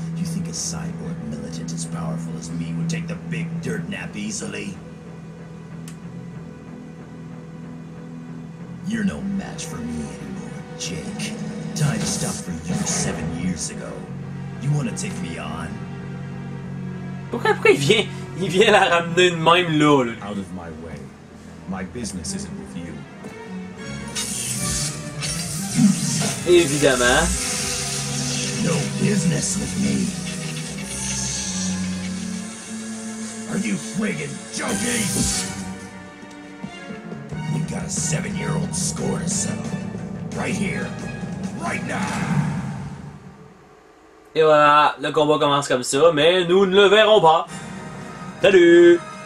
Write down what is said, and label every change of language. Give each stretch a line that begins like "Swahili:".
English: You think a cyborg militant as powerful as me would take the big dirt nap easily? You're no match for me anymore, Jake. Time stopped for you 7 years ago. You wanna take me on?
French: Pourquoi il vient la ramener de même là?
English: Out of my way. My business isn't with you.
French: Évidemment.
English: No business with me. Are you friggin' joking? You got a 7-year-old score to settle. Right here. Right now.
French: Et voilà, le combat commence comme ça, mais nous ne le verrons pas. Salut!